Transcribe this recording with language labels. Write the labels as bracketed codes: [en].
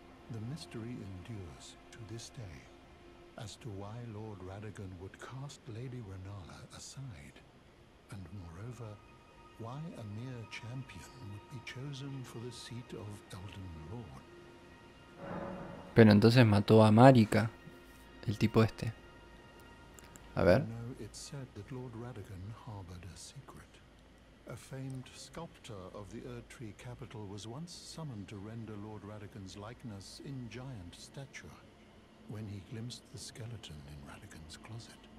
[en] The mystery endures to this day as to why Lord Radagon would cast Lady Renala aside, and moreover, why a mere champion would be chosen for the seat of Elden Lord. [es] Pero entonces mató a Marika, el tipo este. A ver. [en] It's said that Lord Radagon harbored a secret. A famed sculptor of the Erdtree capital was once summoned to render Lord Radagon's likeness in giant stature. when he glimpsed the skeleton in Radigan's closet.